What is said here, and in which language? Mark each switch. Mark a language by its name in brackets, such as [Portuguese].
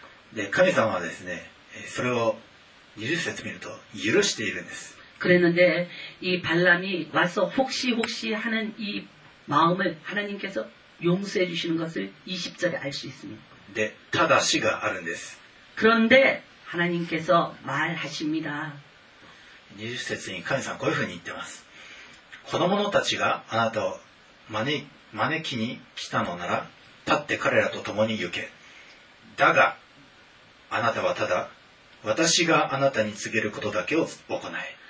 [Korean] 네하나님은 [Japanese] ですね [Korean] 그걸20절에 [Japanese] 見ると許しているんです。 [Korean] 그랬는데이발람이와서혹시하는이마음을하나님께서용서해주시는것을20절에알수있습니다 [Japanese] 네ただしがあるんです。 [Korean] 그런데하나님께서말하십니다 [Japanese] 20節に神様はこういうふうに言ってます。子供たちがあなたを招きに来たのなら立って彼らと共に行け。だがあなたはただ私があなたに告げることだけを行え。